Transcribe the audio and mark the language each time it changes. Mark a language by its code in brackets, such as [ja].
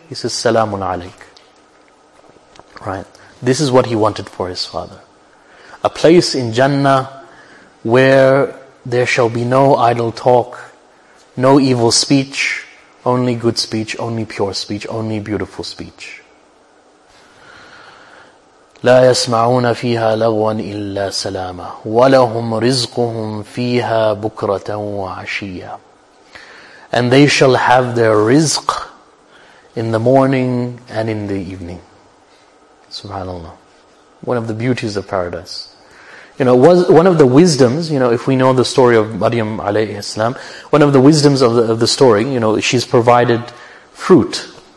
[en] He says, Salamun alaik. Right. This is what he wanted for his father. A place in Jannah where there shall be no idle talk, no evil speech, only good speech, only pure speech, only beautiful speech. [ar] لا يسمعون فيها لغوا إلا سلاما ولهم رزقهم فيها بكرة وعشية. [en] And they shall have their rizq in the morning and in the evening. Subhanallah. One of the beauties of paradise. You know, one of the wisdoms, you know, if we know the story of Maryam alayhi salam, one of the wisdoms of the story, you know, she's provided fruit.